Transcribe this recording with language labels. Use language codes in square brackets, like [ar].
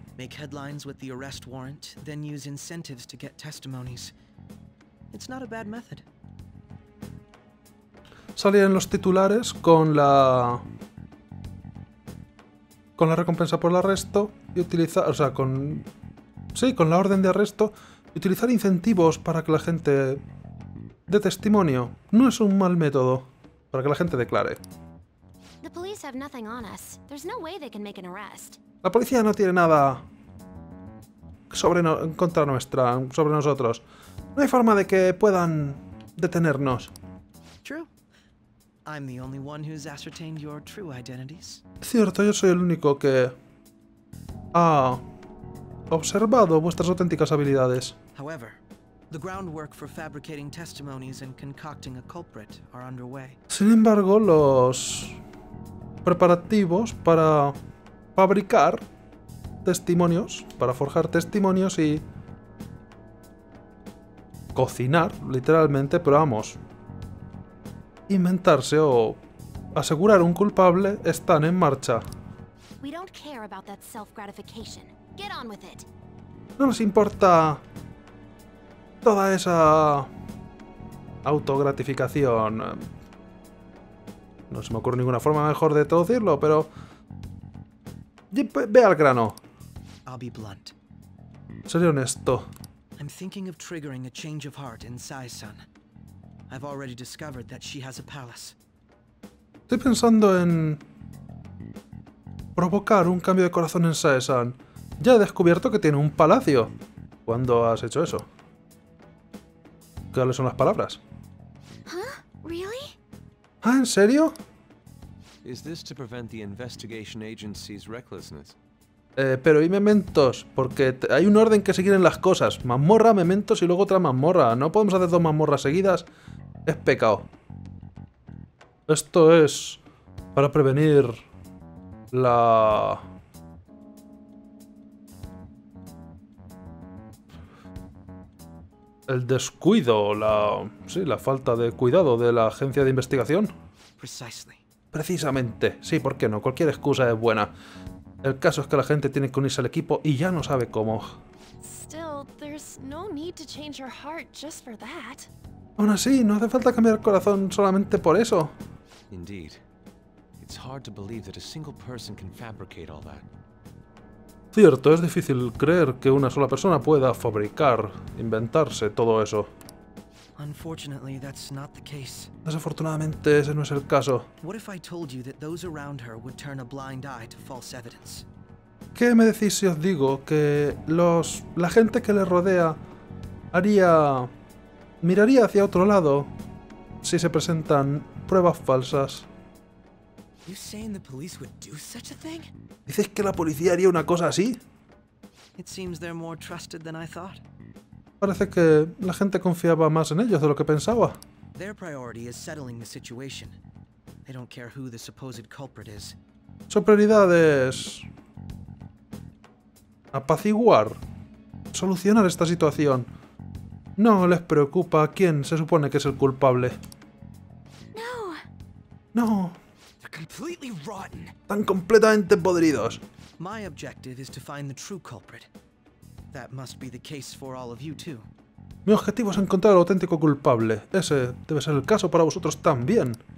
[en] Make headlines with the arrest warrant, then use incentives to get testimonies. It's not a bad method. [es] Salir en los titulares con la recompensa por el arresto y utilizar, o sea, con la orden de arresto y utilizar incentivos para que la gente dé testimonio. No es un mal método para que la gente declare. [en] The police have nothing on us. There's no way they can make an arrest. [es] La policía no tiene nada sobre nosotros. No hay forma de que puedan detenernos. [en] True. I'm the only one who's ascertained your true identities. [es] Cierto, yo soy el único que ha observado vuestras auténticas habilidades. [en] However, the groundwork for fabricating testimonies and concocting a culprit are underway. [es] Sin embargo, los preparativos para fabricar testimonios, para forjar testimonios y cocinar, literalmente, pero vamos, inventarse o asegurar un culpable, están en marcha. [en] We don't care about that self-gratification. Get on with it. [es] No nos importa toda esa autogratificación. No se me ocurre ninguna forma mejor de traducirlo, pero ve al grano. [en] I'll be blunt. [es] Seré honesto. [en] I'm thinking of triggering a change of heart in Sai-san. I've already discovered that she has a palace. [es] Estoy pensando en provocar un cambio de corazón en Sai-san. Ya he descubierto que tiene un palacio. ¿Cuándo has hecho eso? ¿Cuáles son las palabras? [en] ¿Really? [es] ¿Ah, en serio? [en] Is this to prevent the investigation agency's recklessness? [es] Pero y mementos, porque hay un orden que seguir en las cosas. Mazmorra, mementos y luego otra mazmorra. No podemos hacer dos mazmorras seguidas. Es pecado. Esto es para prevenir la... El descuido, la falta de cuidado de la agencia de investigación. Precisamente. Sí, ¿por qué no? Cualquier excusa es buena. El caso es que la gente tiene que unirse al equipo y ya no sabe cómo. [en] Still, there's no need to change her heart just for that. [es] Aún así, no hace falta cambiar el corazón solamente por eso. [en] Indeed. It's hard to believe that a single person can fabricate all that. [es] Cierto, es difícil creer que una sola persona pueda fabricar, inventarse todo eso. [en] Unfortunately, that's not the case. [es] Desafortunadamente, ese no es el caso. [en] What if I told you that those around her would turn a blind eye to false evidence? [es] ¿Qué me decís si os digo que la gente que le rodea miraría hacia otro lado si se presentan pruebas falsas? [en] You saying the police would do such a thing? [es] ¿Dices que la policía haría una cosa así? [en] It seems they're more trusted than I thought. [es] Parece que la gente confiaba más en ellos de lo que pensaba. [en] Their priority is settling the situation. They don't care who the supposed culprit is. [es] Su prioridad es apaciguar, solucionar esta situación. No les preocupa quién se supone que es el culpable. [en] No. [es] No. [en] They're completely rotten. [es] Están completamente podridos. [en] My objective is to find the true culprit. That must be the case for all of you too. [es] Mi objetivo es encontrar al auténtico culpable. Ese debe ser el caso para vosotros también.